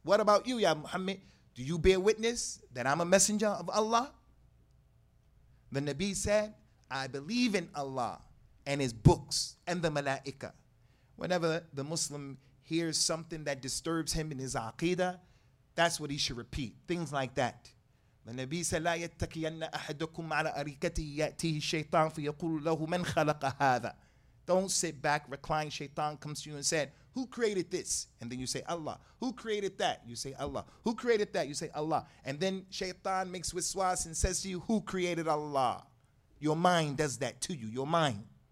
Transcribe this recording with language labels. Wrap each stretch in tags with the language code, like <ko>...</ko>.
<en>What about you, Ya Muhammad? Do you bear witness that I'm a messenger of Allah? The Nabi said, I believe in Allah and his books and the malaika. Whenever the Muslim hears something that disturbs him in his aqidah, that's what he should repeat. Things like that.</en> <ar>The Nabi said, لا يتكين أحدكم على أريكته يأتيه الشيطان فيقول له من خلق هذا.</ar> <en>Don't sit back, recline. Shaitan comes to you and said, who created this? And then you say, Allah. Who created that? You say, Allah. Who created that? You say, Allah. And then Shaitan makes wiswas and says to you, who created Allah? Your mind does that to you. Your mind.</en>